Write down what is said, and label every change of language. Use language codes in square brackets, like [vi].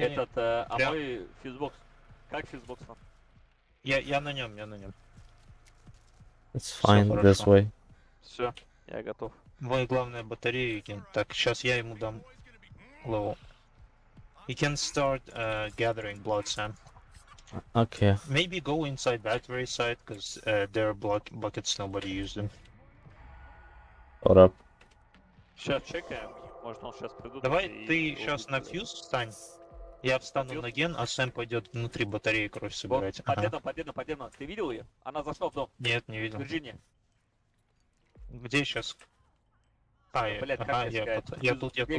[ru] Этот, прям... мой фьюзбокс. Как фьюзбокс там? Я на нем. [en] It's fine this way. [ru] Все, я готов. Мой главный батарейки. Так, сейчас я ему дам левел. [en] You can start gathering blood, Sam. Okay. Maybe go inside battery side, because there are blood buckets, nobody used them. Hold up. [ru] Сейчас чекаем, может он сейчас придут. Давай ты сейчас на фьюз встань. Я встану на ген, а Сэм пойдет внутри батареи кровь собирать. Вот, подъедно. Ты видел ее? Она зашла в дом. Нет, не видел. Вирджиния. Где сейчас? Я тут.